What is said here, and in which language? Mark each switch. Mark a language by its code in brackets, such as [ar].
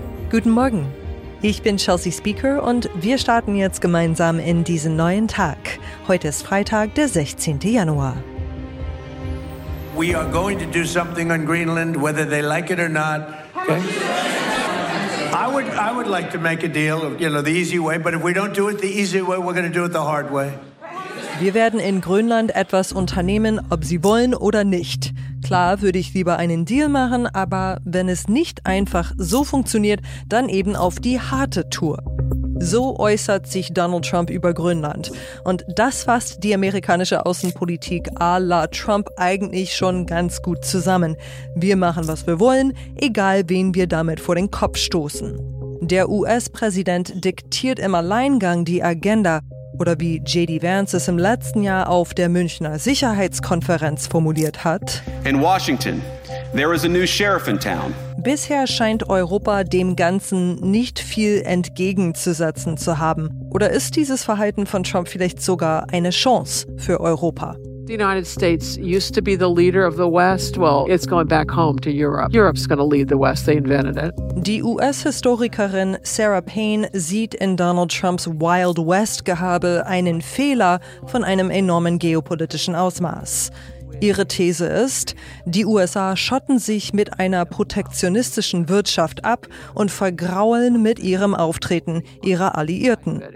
[de] Guten Morgen, ich bin Chelsea Speaker und wir starten jetzt gemeinsam in diesen neuen Tag. Heute ist Freitag, der 16. Januar. [en] We are going to do something on Greenland, whether they like it or not. I would like to make a deal, you know, the easy way, but if we don't do it the easy way, we're going to do it the hard way. [de] Wir werden in Grönland etwas unternehmen, ob sie wollen oder nicht. Klar würde ich lieber einen Deal machen, aber wenn es nicht einfach so funktioniert, dann eben auf die harte Tour. So äußert sich Donald Trump über Grönland. Und das fasst die amerikanische Außenpolitik à la Trump eigentlich schon ganz gut zusammen. Wir machen, was wir wollen, egal wen wir damit vor den Kopf stoßen. Der US-Präsident diktiert im Alleingang die Agenda. Oder wie J.D. Vance es im letzten Jahr auf der Münchner Sicherheitskonferenz formuliert hat. [en] In Washington, there is a new sheriff in town. [de] Bisher scheint Europa dem Ganzen nicht viel entgegenzusetzen zu haben. Oder ist dieses Verhalten von Trump vielleicht sogar eine Chance für Europa? [en] The United States used to be the leader of the West. Well, it's going back home to Europe. Europe's going to lead the West. They invented it. [de] Die US-Historikerin Sarah Payne sieht in Donald Trumps Wild West-Gehabe einen Fehler von einem enormen geopolitischen Ausmaß. Ihre These ist, die USA schotten sich mit einer protektionistischen Wirtschaft ab und vergraulen mit ihrem Auftreten ihrer Alliierten.